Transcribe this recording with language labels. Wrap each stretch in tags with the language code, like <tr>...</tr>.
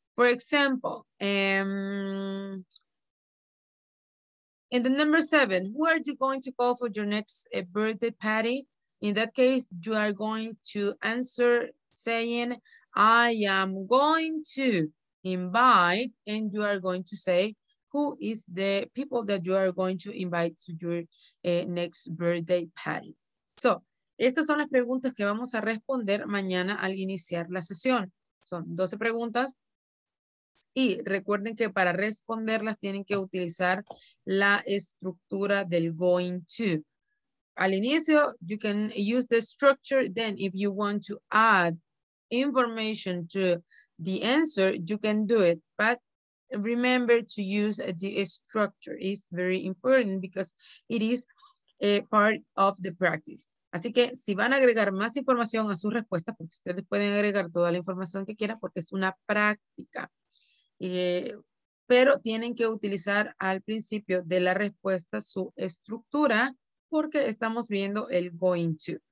<en>For example, in the number seven, who are you going to call for your next birthday party? In that case, you are going to answer saying, I am going to invite, and you are going to say, who is the people that you are going to invite to your next birthday party?</en> <es>So, estas son las preguntas que vamos a responder mañana al iniciar la sesión. Son 12 preguntas. Y recuerden que para responderlas tienen que utilizar la estructura del going to. Al inicio,</es> <en>you can use the structure. Then if you want to add information to the answer, you can do it. But remember to use the structure. It's very important because it is a part of the practice.</en> <es>Así que si van a agregar más información a sus respuestas, porque ustedes pueden agregar toda la información que quieran porque es una práctica. Pero tienen que utilizar al principio de la respuesta su estructura porque estamos viendo el going to.</es>